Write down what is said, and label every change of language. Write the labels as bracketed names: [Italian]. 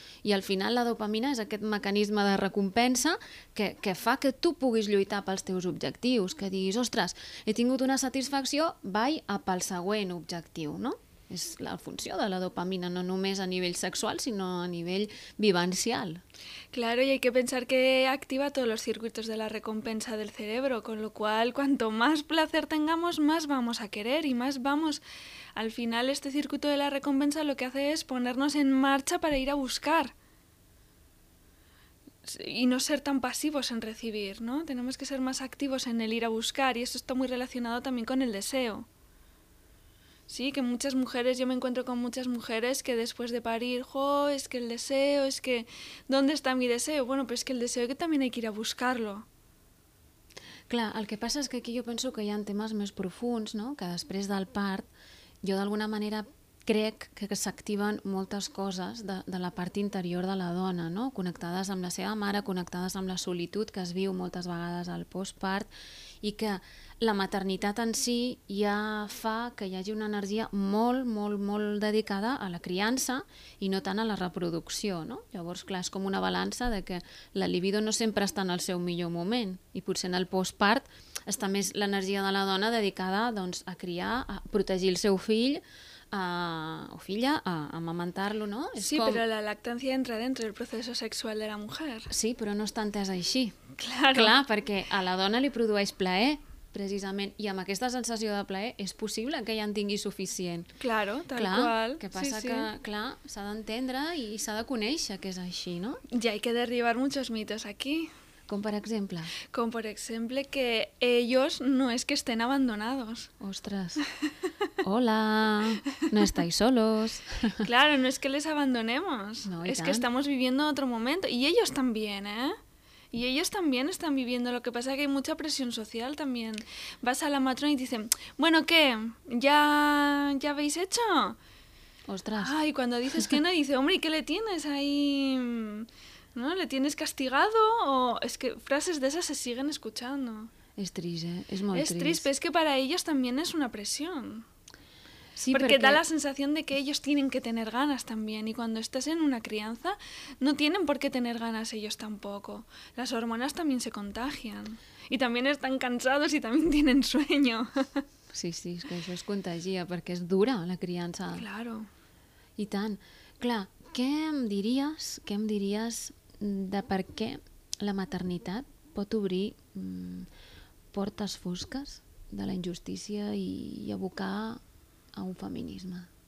[Catalan] I al final la dopamina és aquest mecanisme de recompensa que fa que tu puguis lluitar pels teus objectius, que diguis, ostres, he tingut una satisfacció, vaig a pel següent objectiu, no? És la funció de la dopamina, no només a nivell sexual, sinó a nivell vivencial. [Spanish] Claro, y hay que pensar que activa todos los circuitos de la recompensa del cerebro, con lo cual, cuanto más placer tengamos, más vamos a querer y más vamos... Al final, este circuito de la recompensa lo que hace es ponernos en marcha para ir a buscar. Y no ser tan pasivos en recibir, ¿no? Tenemos que ser más activos en el ir a buscar, y esto está muy relacionado también con el deseo. Sí, que muchas mujeres, yo me encuentro con muchas mujeres que después de parir, ¡jo! Es que el deseo, es que... ¿Dónde está mi deseo? Bueno, pues es que el deseo que también hay que ir a buscarlo. [Catalan] Clar, el que passa és que aquí jo penso que hi ha temes més profunds, no? Que després del part, jo d'alguna manera crec que s'activen moltes coses de la part interior de la dona, no? Connectades amb la seva mare, connectades amb la solitud que es viu moltes vegades al postpart i que la maternitat en si ja fa que hi hagi una energia molt, molt, molt dedicada a la criança i no tant a la reproducció, no? Llavors, clar, és com una balança de que la libido no sempre està en el seu millor moment i potser en el postpart està més l'energia de la dona dedicada, doncs, a criar, a protegir el seu fill, o filla, a amamantar-lo, no? És sí, com... però la lactància entra [Spanish] dentro [Catalan] del procés sexual [Spanish] de la mujer. [Catalan] Sí, però no està entès així. [Spanish] Claro. [Catalan] Clar, perquè a la dona li produeix plaer, precisament, i amb aquesta sensació de plaer és possible que ja en tingui suficient. [Spanish] Claro, tal [Catalan] clar, qual. Que passa sí, sí. Que, clar, s'ha d'entendre i s'ha de conèixer que és així, no? [Spanish] Ya hay que derribar muchos mitos aquí. [Catalan] Com per exemple? Com per exemple [Spanish] que ellos no es que estén abandonados. Ostres, hola, no estáis solos. Claro, no es que les abandonemos, no, es que estamos viviendo otro momento. Y ellos también, ¿eh? Y ellos también están viviendo, lo que pasa es que hay mucha presión social también. Vas a la matrona y dicen, bueno, ¿qué? ¿Ya habéis hecho? Ostras. Ay, cuando dices que no, dice, hombre, ¿y qué le tienes ahí...? ¿No? ¿Le tienes castigado? O es que frases de esas se siguen escuchando. Es triste, ¿eh? Es muy triste. Es triste, pero es que para ellos también es una presión. Sí, porque da la sensación de que ellos tienen que tener ganas también. Y cuando estás en una crianza, no tienen por qué tener ganas ellos tampoco. Las hormonas también se contagian. Y también están cansados y también tienen sueño. [Catalan] Sí, és que això es contagia, perquè és dura la criança. [Spanish] Claro. [Catalan] I tant. Clar, què em diries de per què la maternitat pot obrir portes fosques de la injustícia i abocar a un feminisme?